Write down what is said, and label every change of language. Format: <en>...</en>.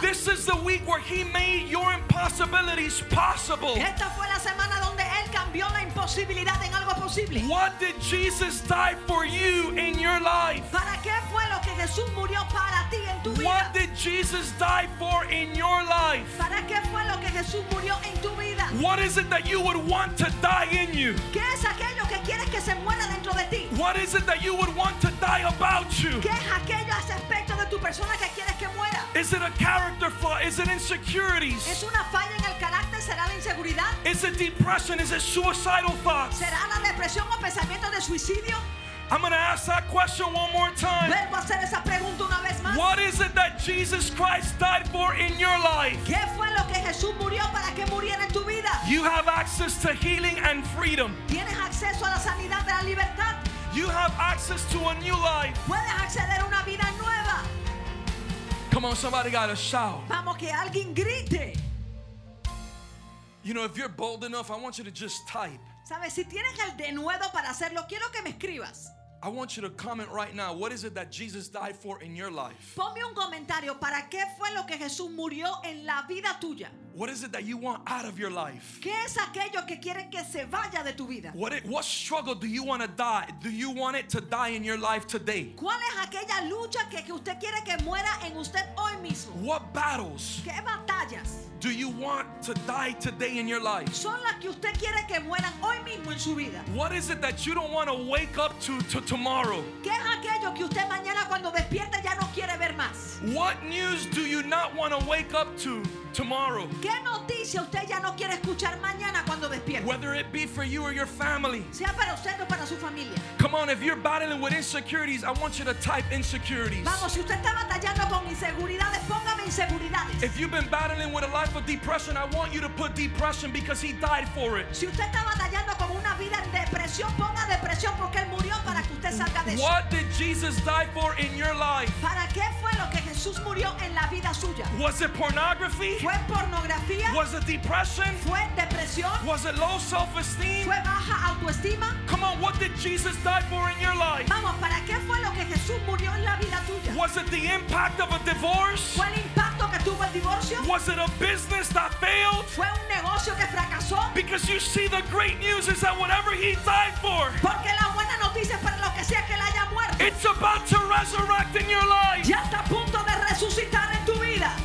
<en>This is the week where he made your impossibilities possible.</en> <es>Esta fue la semana donde él cambió la imposibilidad en algo posible.</es> <en>What did Jesus die for you in your life?</en> <es>¿Para qué fue lo que Jesús murió para ti en tu vida?</es> <en>What did Jesus die for in your life?</en> <es>¿Para qué fue lo que Jesús murió en tu vida?</es> <en>What is it that you would want to die in you?</en> <es>¿Qué es aquello que quieres que se muera dentro de ti?</es> <en>What is it that you would want to die about you?</en> <es>¿Qué es aquello aspecto de tu persona que quieres que muera?</es> <en>Is it a character flaw? Is it insecurities?</en> <es>¿Es una falla en el carácter? ¿Será la inseguridad?</es> <en>Is it depression? Is it suicidal thoughts?</en> <es>¿Será la depresión o pensamiento de suicidio?</es> <en>I'm going to ask that question one more time.</en> <es>Vuelvo a hacer esa pregunta una vez más.</es> <en>What is it that Jesus Christ died for in your life?</en> <es>¿Qué fue lo que Jesús murió para que muriera en tu vida?</es> <en>You have access to healing and freedom.</en> <es>¿Tienes acceso a la sanidad de la libertad?</es> <en>You have access to a new life.</en> <es>¿Puedes acceder a una vida nueva?</es> <en>Come on, somebody got to shout.</en> <es>Vamos, que alguien grite.</es> <en>You know, if you're bold enough, I want you to just type.</en> <es>¿Sabes? Si tienes el denuedo para hacerlo, quiero que me escribas.</es> <en>I want you to comment right now. What is it that Jesus died for in your life?</en> <es>Ponme un comentario. ¿Para qué fue lo que Jesús murió en la vida tuya?</es> <en>What is it that you want out of your life?</en> <es>¿Qué es aquello que quieres que se vaya de tu vida?</es> <en>What struggle do you want to die? Do you want it to die in your life today?</en> <es>¿Cuál es aquella lucha que usted quiere que muera en usted hoy mismo?</es> <en>What battles?</en> <es>¿Qué batallas?</es> <en>Do you want to die today in your life?</en> <es>Son las que usted quiere que mueran hoy mismo en su vida.</es> <en>What is it that you don't want to wake up to tomorrow?</en> <es>¿Qué es aquello que usted mañana cuando despierta ya no quiere ver más?</es> <en>What news do you not want to wake up to tomorrow?</en> <es>¿Qué noticia usted ya no quiere escuchar mañana cuando despierta?</es> <en>Whether it be for you or your family.</en> <es>Sea para usted o para su familia.</es> <en>Come on, if you're battling with insecurities, I want you to type insecurities.</en> <es>Vamos, si usted está batallando con inseguridades, póngame inseguridades.</es> <en>If you've been battling with a life of depression, I want you to put depression because he died for it.</en> <es>Si usted está batallando con una vida en depresión, ponga depresión porque él murió para que usted salga de eso.</es> <en>What did Jesus die for in your life?</en> <es>¿Para qué fue lo que Jesús murió en la vida suya?</es> <en>Was it pornography?</en> <es>¿Fue pornografía?</es> <en>Was it depression?</en> <es>¿Fue depresión?</es> <en>Was it low self-esteem?</en> <es>¿Fue baja autoestima?</es> <en>Come on, what did Jesus die for in your life?</en> <es>Vamos, ¿para qué fue lo que Jesús murió en la vida tuya?</es> <en>Was it the impact of a divorce?</en> <es>¿Fue el impacto que tuvo el divorcio?</es> <en>Was it a business that failed?</en> <es>¿Fue un negocio que fracasó?</es> <en>Because you see, the great news is that whatever he died for,</en> <es>porque la buena noticia es para lo que sea que él haya muerto,</es> <en>it's about to resurrect in your life.</en> <es>Ya está a punto de resucitar en tu vida.</es>